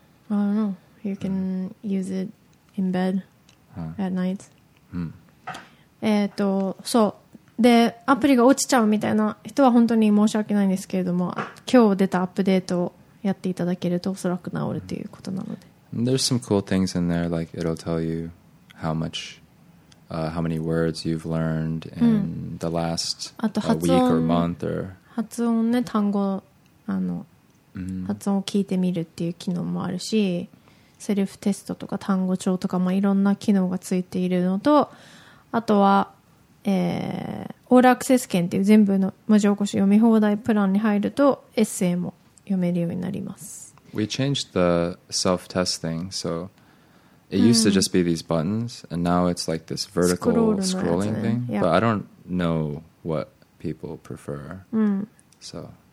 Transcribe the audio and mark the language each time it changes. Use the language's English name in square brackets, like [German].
[English] I don't know. You can use it in bedAt night. [Japanese] そうで、アプリが落ちちゃうみたいな人は本当に申し訳ないんですけれども、今日出たアップデートをやっていただけるとおそらく治るということなので。 [English] There's some cool things in there, like it'll tell you how much how many words you've learned in the last week or month or [Japanese] 発音ね、単語発音を聞いてみるっていう機能もあるし、セルフテストとか単語帳とか、まあ、いろんな機能がついているのと、あとは、オールアクセス券っていう全部の文字起こし読み放題プランに入るとエッセイも読めるようになります。 [English] We changed the self-test thing, so it used to just be these buttons and now it's like this vertical scrolling thing、yeah. but I don't know what people prefer、so